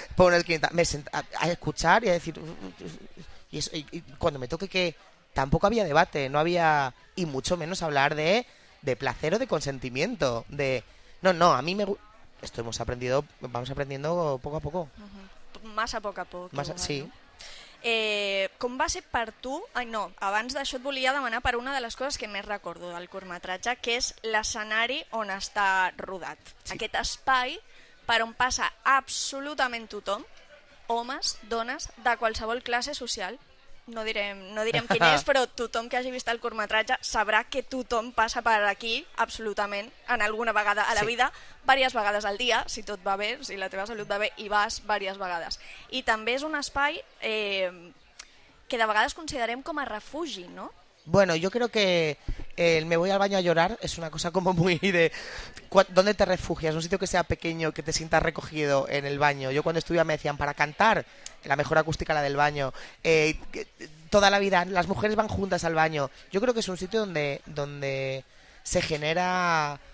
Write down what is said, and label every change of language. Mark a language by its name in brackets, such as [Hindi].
[Spanish] Por una esquinita, me sentaba a escuchar y a decir, y eso, y cuando me toque, que tampoco había debate, no había, y mucho menos hablar de placer o de consentimiento, de, no, no, a mí me gusta, esto hemos aprendido, vamos aprendiendo poco a poco. Uh-huh. Más a poco a poco. Más a, sí. [Catalan] Com va ser per tu... Ai, no, abans d'això et volia demanar per una de les coses que més recordo del curtmetratge, que és l'escenari on està rodat. Sí. Aquest espai per on passa absolutament tothom, homes, dones, de qualsevol classe social. No direm quin és, però tothom que hagi vist el curtmetratge sabrà que tothom passa per aquí absolutament en alguna vegada a la sí. vida, diverses vegades al dia, si tot va bé, si la teva salut va bé, i vas diverses vegades. I també és un espai que de vegades considerem com a refugi, no? [Spanish] Bueno, yo creo que el me voy al baño a llorar es una cosa como muy de... ¿Dónde te refugias? Un sitio que sea pequeño, que te sientas recogido en el baño. Yo cuando estudiaba me decían, para cantar, la mejor acústica la del baño. Toda la vida, las mujeres van juntas al baño. Yo creo que es un sitio donde se genera...